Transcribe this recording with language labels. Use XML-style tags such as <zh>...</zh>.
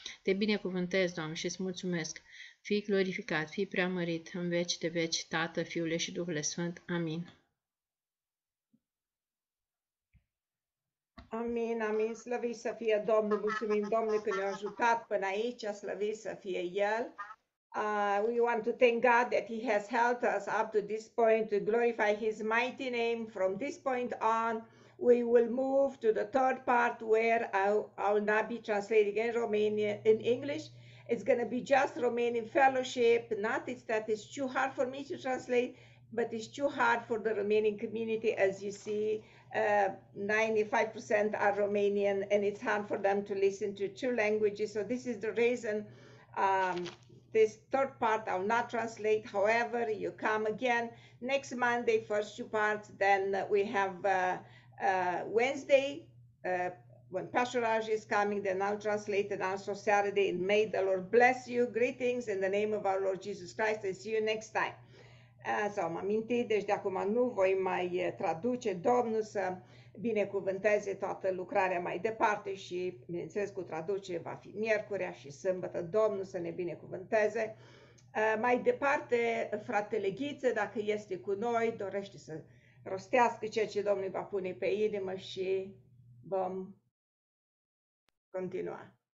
<ro>Te binecuvântez, Doamne, și îți mulțumesc. Fii glorificat, fii preamărit în veci de veci, Tată, Fiule și Duhule Sfânt. Amin. Amin, amin, slăvit să fie Domnul, mulțumim Domnului că ne-a ajutat până aici, slăvit să fie El.</ro> <en>We want to thank God that He has helped us up to this point to glorify His mighty name. From this point on, we will move to the third part where I'll not be translating in Romanian, in English. It's going to be just Romanian fellowship, not that it's too hard for me to translate, but it's too hard for the Romanian community, as you see. 95% are Romanian, and it's hard for them to listen to two languages. So this is the reason this third part I'll not translate. However, you come again next Monday, first two parts. Then we have Wednesday when Pastor Raj is coming, then I'll translate, and also Saturday. And may the Lord bless you. Greetings in the name of our Lord Jesus Christ, and see you next time.</en> <ro>Sau m-am mintit, deci de acum nu voi mai traduce, Domnul să binecuvânteze toată lucrarea mai departe și, bineînțeles, cu traduce va fi miercurea și sâmbătă, Domnul să ne binecuvânteze. Mai departe, fratele Ghiță, dacă este cu noi, dorește să rostească ceea ce Domnul va pune pe inimă și vom continua.</ro>